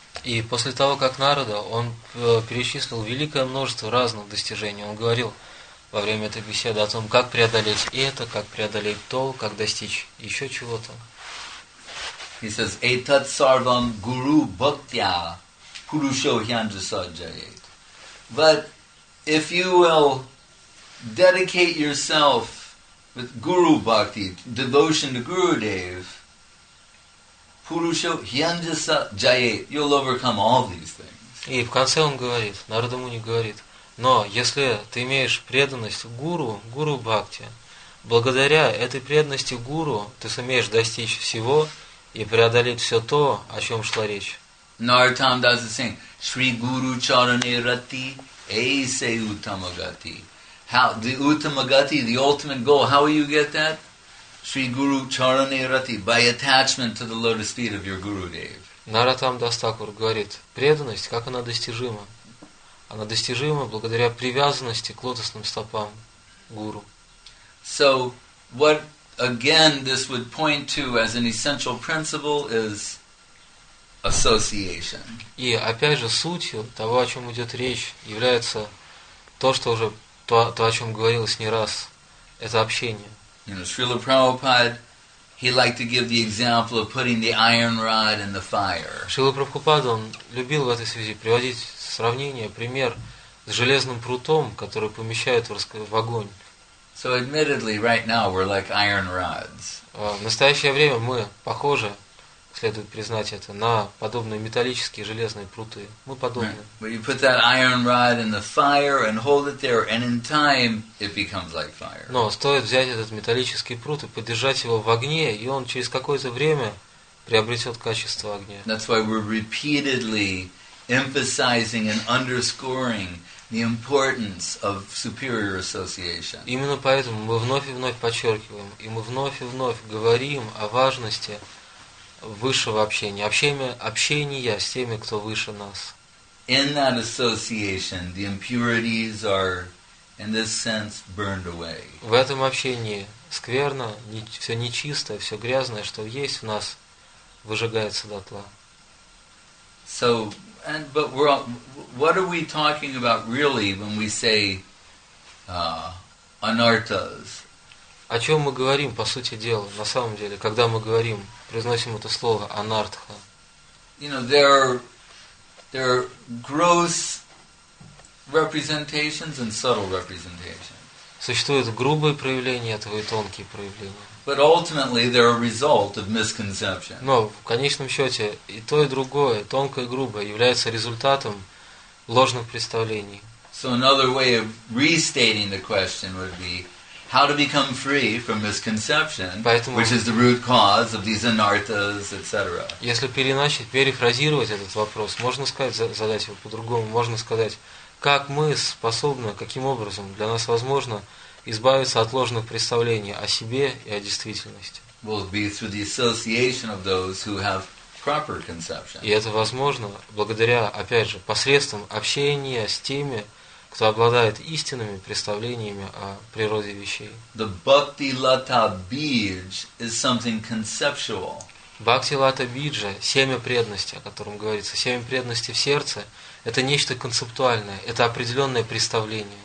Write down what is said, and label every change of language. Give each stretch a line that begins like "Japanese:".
Russian: И после того, как Нарада, он перечислил великое множество разных достижений, он говорил во время этой беседы о том, как преодолеть это, как преодолеть то, как достичь еще чего-то.
English: He says,
Sanskrit: «Этат сарвам гуру бхактя пурушо хьянджасаджает».
English: But if you will dedicate yourself with guru bhakti, devotion to Gurudev, Purusha Hyanjasa Jaye, you'll overcome all these things.
Russian: И в конце он говорит, Нарада Муни говорит, но если ты имеешь преданность гуру, гуру бхакти, благодаря этой преданности гуру ты сумеешь достичь всего и преодолеть все то, о чем шла речь.
English: Нартам does the same.
Bangla: Шри Гуру Чаране Рати Эйсе Утамагати.
English: How the Утамагати, the ultimate goal, how will you get that?
Bangla: Sri Guru Charane Rati,
English: by attachment to the lotus feet of your Gurudev.
Russian: Наратам Дас Такур говорит, преданность, как она достижима? Она достижима благодаря привязанности к лотосным стопам гуру.
English: So, what again this would point to as an essential principle is association.
Russian: И опять же сутью того, о чем идет речь, является то, что уже то, о чем говорилось не раз, это общение.
English: You know, Srila Prabhupada, he liked to give the example of putting the iron rod in the fire.
Russian: Шрила Прабхупада, он любил в этой связи приводить сравнение, пример с железным прутом, который помещают в огонь.
English: So admittedly, right now we're like iron rods.
Russian: В настоящее время мы похожи, следует признать это, на подобные металлические железные пруты. Мы подобны.
English: But you put that iron rod in the fire and hold it there, and in time it becomes like fire.
Russian: Но стоит взять этот металлический прут и подержать его в огне, и он через какое-то время приобретет качество огня.
English: That's why we're repeatedly emphasizing and underscoring the importance of superior association.
Russian: Именно поэтому мы вновь и вновь подчеркиваем, и мы вновь и вновь говорим о важности высшего общения, общения с теми, кто выше нас.
English: In that association, the impurities are, in this sense, burned away.
Russian: В этом общении скверно, все нечистое, все грязное, что есть в нас, выжигается дотла.
English: So, and but we're all, what are we talking about really when we say anarthas?
Russian: О чем мы говорим по сути дела, на самом деле, когда мы говорим, произносим это слово анартха?
English: You know, there are gross representations and subtle representations.
Russian: Существуют грубые проявления этого и тонкие проявления.
English: But ultimately, they're a result of misconception.
Russian: Но в конечном счете и то и другое, тонкое и грубое, является результатом ложных представлений.
English: So another way of restating the question would be how to become free from misconception, which is the root cause of these anarthas, etc.
Russian: Если переначить, перефразировать этот вопрос, можно сказать, задать его по-другому, можно сказать, как мы способны, каким образом для нас возможно избавиться от ложных представлений о себе и о действительности.
English: Will be through the association of those who have proper conception.
Russian: И это возможно благодаря, опять же, посредством общения с теми, кто обладает истинными представлениями о природе вещей.
English: The bhakti lata bij is something conceptual.
Russian: Бхакти лата биджа, семя преданности, о котором говорится, семя преданности в сердце, это нечто концептуальное, это определенное представление.